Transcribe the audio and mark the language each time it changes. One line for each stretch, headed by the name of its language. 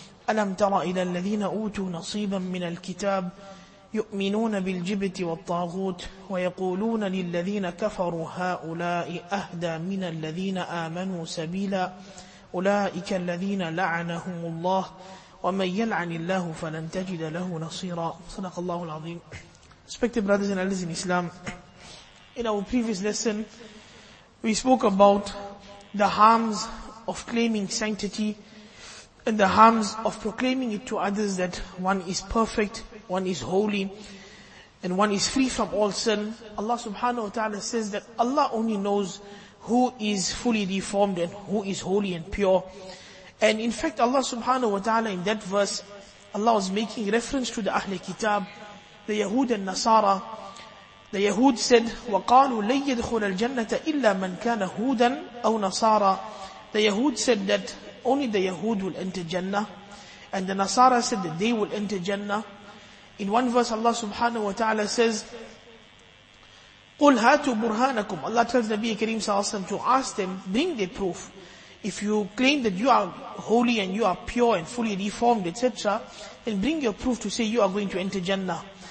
Arabic: ألم تر إلى الذين أوتوا نصيبا من الكتاب يؤمنون بالجبت والطاغوت ويقولون للذين كفروا هؤلاء أهدى من الذين آمنوا سبيلا. أولئك الذين لعنهم الله ومن يلعن الله فلن تجد له نصيرا. صدق الله العظيم.
English: Respected brothers and elders in Islam, in our previous lesson we spoke about the harms of claiming sanctity and the harms of proclaiming it to others that one is perfect, one is holy, and one is free from all sin. Allah subhanahu wa ta'ala says that Allah only knows who is fully reformed and who is holy and pure. And in fact, Allah subhanahu wa ta'ala in that verse, Allah was making reference to the Ahlul Kitab, the Yahud and Nasara. The Yahud said,
Arabic: وَقَالُوا لَنْ يَدْخُلَ الْجَنَّةَ إِلَّا مَنْ كَانَ هُودًا أَوْ نَصَارًا.
English: The Yahud said that only the Yahud will enter Jannah. And the Nasara said that they will enter Jannah. In one verse, Allah subhanahu wa ta'ala says,
Arabic: قُلْ هَاتُوا بُرْهَانَكُمْ.
English: Allah tells Nabi Kareem sallallahu alayhi wa sallam to ask them, bring their proof. If you claim that you are holy and you are pure and fully reformed, etc., then bring your proof to say you are going to enter Jannah.